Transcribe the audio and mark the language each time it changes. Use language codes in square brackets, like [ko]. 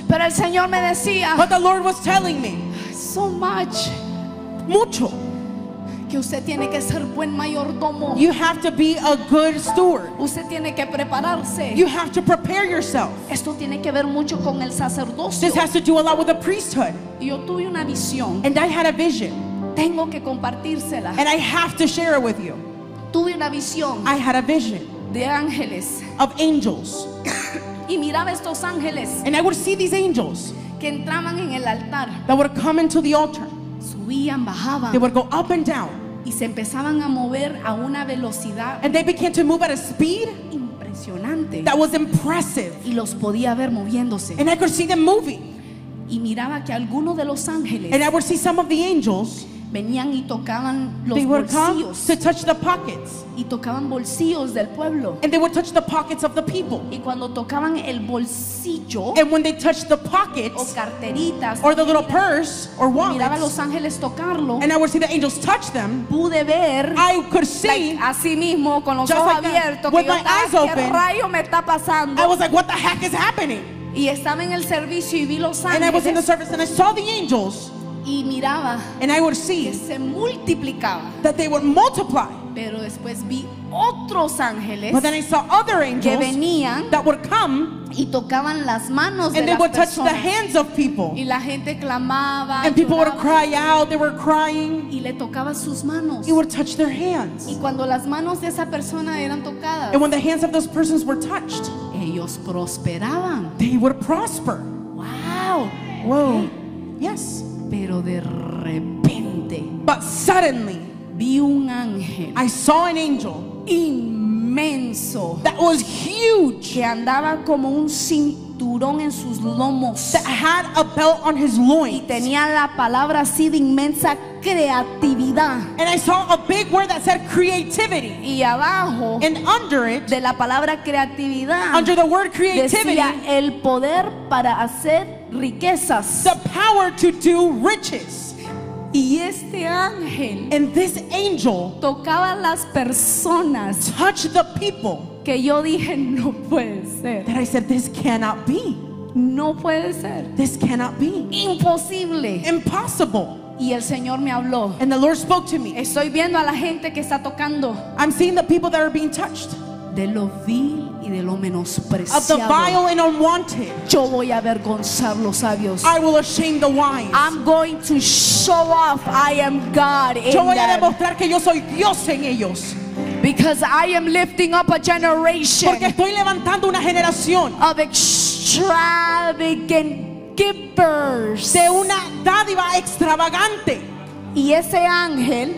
[es] Pero el Señor me decía. [en] But the Lord was telling me. So much. [es] Mucho. Que usted tiene que ser buen mayordomo. [en] You have to be a good steward. [es] Usted tiene que prepararse. [en] You have to prepare yourself. [es] Esto tiene que ver mucho con el sacerdocio. [en] This has to do a lot with the priesthood. [es] Yo tuve una visión. [en] And I had a vision. [es] Tengo que compartírsela. [en] And I have to share it with you. [es] Tuve una visión. [en] I had a vision. [es] de ángeles. [en] Of angels. [es] Y miraba estos ángeles. [en] And I would see these angels. [es] Que entraban en el altar. [en] That would come into the altar. [es] Subían, bajaban. [en] They would go up and down. [es] Y se empezaban a mover a una velocidad. [en] And they began to move at a speed. [es] Impresionante. [en] That was impressive. [es] Y los podía ver moviéndose. [en] And I could see them moving. [es] Y miraba que algunos de los ángeles. [en] And I would see some of the angels. [es] Venían y tocaban los [en] they would [es] bolsillos [en] come to touch the pockets. [es] Y tocaban bolsillos del pueblo. [en] And they would touch the pockets of the people. [es] Y cuando tocaban el bolsillo. [en] And when they touched the pockets. [es] O carteritas. [en] Or the little purse or wallets. [es] Miraba a los ángeles tocarlo. [en] And I would see the angels touch them. [es] Pude ver. [en] I could see. [es] Like, así mismo con los ojos abiertos. [en] With my eyes open. [es] ¿Qué rayo me está pasando? [en] I was like, what the heck is happening? [es] Y estaba en el servicio y vi los ángeles. [en] And I was in the service and I saw the angels. [es] Y miraba, [en] and I would see [es] que se multiplicaba, [en] that they would multiply. [es] Pero después vi otros ángeles, [en] but then I saw other angels [es] que venían, [en] that would come [es] y tocaban las manos [en] and they [es] las [en] would [es] personas, [en] touch the hands of people. [es] Y la gente clamaba, [en] and lloraba, people would cry out, they were crying. [es] Y le tocaba sus manos. [en] It would touch their hands. [es] Y cuando las manos de esa persona eran tocadas, [en] and when the hands of those persons were touched, [es] ellos prosperaban. [en] They would prosper. Wow. Whoa. Okay. Yes. [es] Pero de repente, [en] but suddenly, [es] vi un ángel, [en] I saw an angel, [es] inmenso, [en] that was huge, [es] que andaba como un cinturón en sus lomos, [en] that had a belt on his loins, [es] y tenía la palabra así de inmensa creatividad, [en] and I saw a big word that said creativity, [es] y abajo, [en] and under it, [es] de la palabra creatividad, [en] under the word creativity, [es] decía el poder para hacer riquezas, [en] the power to do riches. [es] Y este ángel, [en] and this angel, [es] tocaba las personas, [en] touched the people, [es] que yo dije no puede ser, [en] that I said this cannot be, [es] no puede ser, [en] this cannot be, [es] imposible, [en] impossible. [es] Y el Señor me habló, [en] and the Lord spoke to me, [es] estoy viendo a la gente que está tocando, [en] I'm seeing the people that are being touched, [es] de lo vil y de lo menospreciado, [en] of the vile and unwanted, [es] yo voy a avergonzar los sabios, [en] I will shame the wise, I'm going to show off I am God in [es] yo voy [en] them [es] a demostrar que yo soy Dios en ellos, [en] because I am lifting up a generation, [es] porque estoy levantando una generación, [en] of extravagant givers, [es] de una dádiva extravagante. Y ese ángel,